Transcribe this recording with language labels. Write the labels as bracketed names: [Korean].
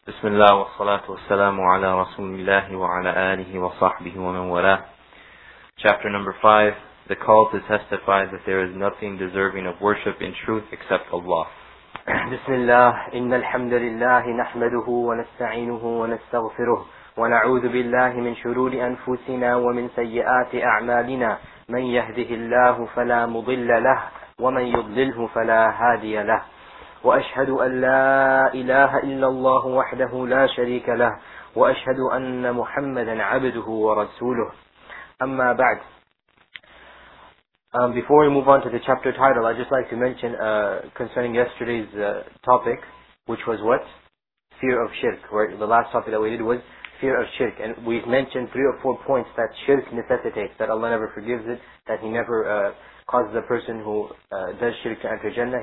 [Arabic] بسم الله والصلاة والسلام على رسول الله وعلى آله وصحبه ومن والاه. [English] Chapter number 5, the call to testify that there is nothing deserving of worship in truth except Allah. [Arabic] بسم الله إن الحمد لله نحمده ونستعينه ونستغفره ونعوذ بالله من شرور أنفسنا ومن سيئات أعمالنا من يهده الله فلا مضل له ومن يضلله فلا هادي له وأشهد أن لا إله إلا الله وحده لا شريك له وأشهد أن محمدا عبده ورسوله أما بعد. [English] Before we move on to the chapter title, I'd just like to mention concerning yesterday's topic, which was what? Fear of shirk. Right? The last topic that we did was fear of shirk. And we've mentioned 3 or 4 points that shirk necessitates, that Allah never forgives it, that He never causes a person who does shirk to enter Jannah.